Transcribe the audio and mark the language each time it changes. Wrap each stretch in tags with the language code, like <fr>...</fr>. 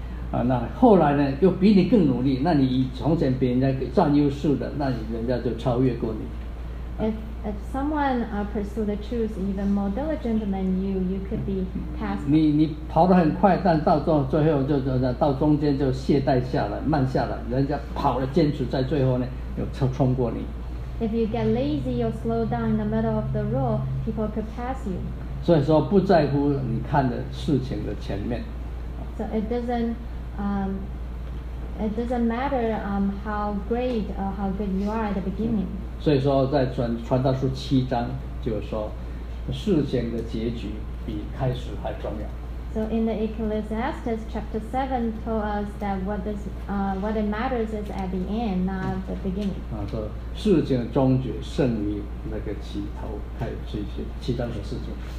<zh>那后来呢又比你更努力，那你从前别人家占优势的，那你人家就超越过你。</zh> <en>If someone pursue the truth even more diligent than you could be passed.</en> <zh>你跑得很快，但到最后就到中间就懈怠下来，慢下来，人家跑了坚持在最后呢又冲过你。</zh> <en>If you get lazy or slow down in the middle of the road, people could pass you.</en> <zh>所以说不在乎你看的事情的前面。</zh> <en>So it doesn't matter how great or how good you are at the beginning.</en> <zh>所以说在传道书七章就是说事情的结局比开始还重要。</zh> <en>So in the Ecclesiastes chapter 7 told us that what it matters is at the end, not the beginning.</en> <zh>说事情终结胜于那个起头，开始七章的事情。</zh>